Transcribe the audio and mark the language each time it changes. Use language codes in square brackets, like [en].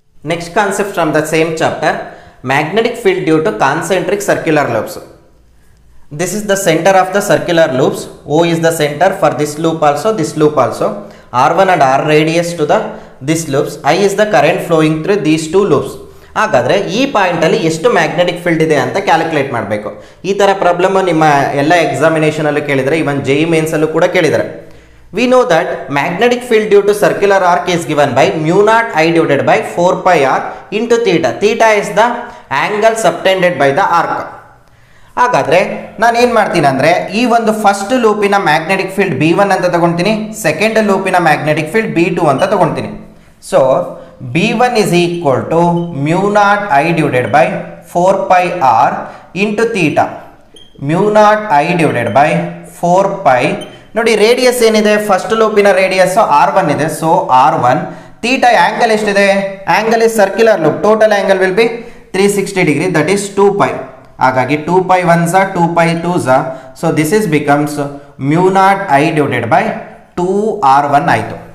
[en] Next concept from the same chapter, magnetic field due to concentric circular loops. This is the center of the circular loops. O is the center for this loop also, R1 and R radius to the this loops. I is the current flowing through these two loops. [kn] ಹಾಗಾದ್ರೆ ಈ point ಅಲ್ಲಿ ಎಷ್ಟು magnetic field ಇದೆ ಅಂತ calculate ಮಾಡಬೇಕು. ಈ ತರ problem ನಿಮ್ಮ ಎಲ್ಲ ಎಕ್ಸಾಮಿನೇಷನ್ ಅಲ್ಲಿ ಕೇಳಿದ್ರೆ, ಇವನ್ ಜೆಇ ಮೇನ್ಸ್ ಅಲ್ಲೂ ಕೂಡ ಕೇಳಿದ್ರೆ. [en] We know that magnetic field due to circular arc is given by mu naught I divided by 4 pi r into theta. Theta is the angle subtended by the arc. [kn] ಹಾಗಾದ್ರೆ ನಾನು ಏನ್ ಮಾಡ್ತೀನಿ ಅಂದ್ರೆ, ಈ ಒಂದು first ಲೂಪಿನ magnetic field B one ಅಂತ ತಗೊಂತೀನಿ, second ಲೂಪಿನ magnetic field B two ಅಂತ ತಗೊಂತೀನಿ. [en] So B1 is equal to mu naught I divided by 4 pi R into theta. Mu naught I divided by 4 pi. [kn] ನೋಡಿ ರೇಡಿಯಸ್ ಏನಿದೆ, first ಲೂಪಿನ radius R one ಇದೆ. So R one theta angle ಎಷ್ಟಿದೆ, [en] Angle is circular loop, total angle will be 360 degree, that is 2 pi. [kn] ಹಾಗಾಗಿ 2 pi one ಸ 2 pi two ಸ. [en] So this is becomes mu naught I divided by 2 R one ಆಯಿತು.